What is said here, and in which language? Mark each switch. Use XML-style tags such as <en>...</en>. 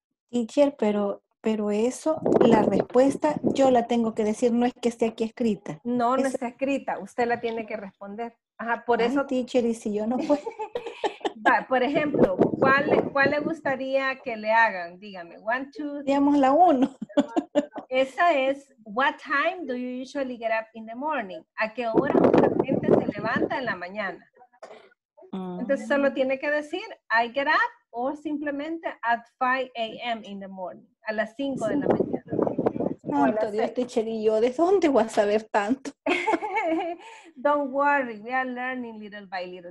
<es>Teacher, pero eso, la respuesta, yo la tengo que decir, no es que esté aquí escrita. No, no está escrita, usted la tiene que responder. Ajá, por ay, eso. Teacher, y si yo no puedo. Por ejemplo, ¿cuál le gustaría que le hagan? Dígame,</es> <en>one, two.</en> <es>Digamos la uno. Esa es,</es> <en>what time do you usually get up in the morning?</en> <es>¿A qué hora la gente se levanta en la mañana? Entonces, solo tiene que decir,</es> <en>I get up,</en> <es>o simplemente</es> <en>at 5 a.m. in the morning.</en> <es>A las 5 de la mañana. Santo Dios, teacher, y yo, ¿de dónde voy a saber tanto?</es> <en>Don't worry, we are learning little by little.</en>